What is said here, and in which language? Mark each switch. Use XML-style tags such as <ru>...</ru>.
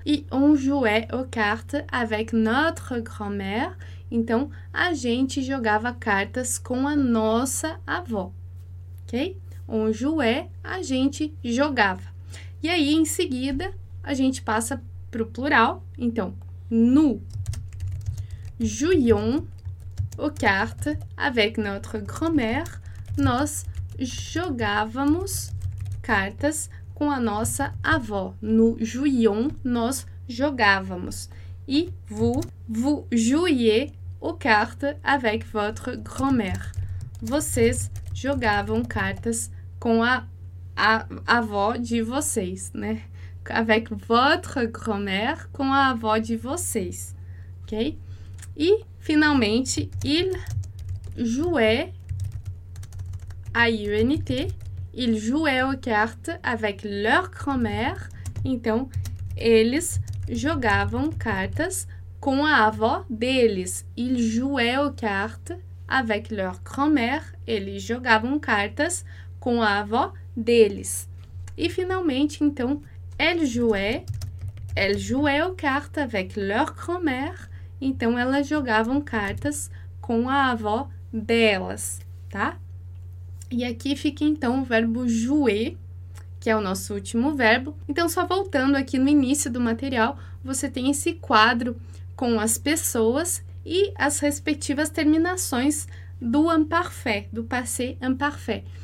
<fr>E on jouait aux cartes avec notre grand-mère.</fr> <pt>Então, a gente jogava cartas com a nossa avó. Ok?</pt> <fr>On jouait,</fr> <pt>a gente jogava. E aí, em seguida, a gente passa para o plural.</pt> <fr>Então, nous jouions aux cartes avec notre grand-mère.</fr> <pt>Nós jogávamos cartas com a nossa avó.</pt> <fr>Nous jouions,</fr> <pt>nós jogávamos.</pt> <fr>E vous jouiez aux cartes avec votre grand-mère.</fr> <pt>Vocês jogavam cartas com a avó de vocês, né?</pt> <fr>Avec votre grand-mère,</fr> <pt>com a avó de vocês, ok? E, finalmente,</pt> <fr>il jouait à l'UNT. Ils jouaient aux cartes avec leur grand-mère.</fr> <pt>Então, eles jogavam cartas com a avó deles.</pt> <fr>Ils jouaient aux cartes avec leur grand-mère.</fr> <pt>Eles jogavam cartas com a avó deles. E, finalmente, então,</pt> <fr>elles jouaient aux cartes avec leur grand-mère.</fr> <pt>Então, elas jogavam cartas com a avó delas, tá? E aqui fica então o verbo jouer, que é o nosso último verbo. Então, só voltando aqui no início do material, você tem esse quadro com as pessoas e as respectivas terminações do imparfait, do passé imparfait.</pt>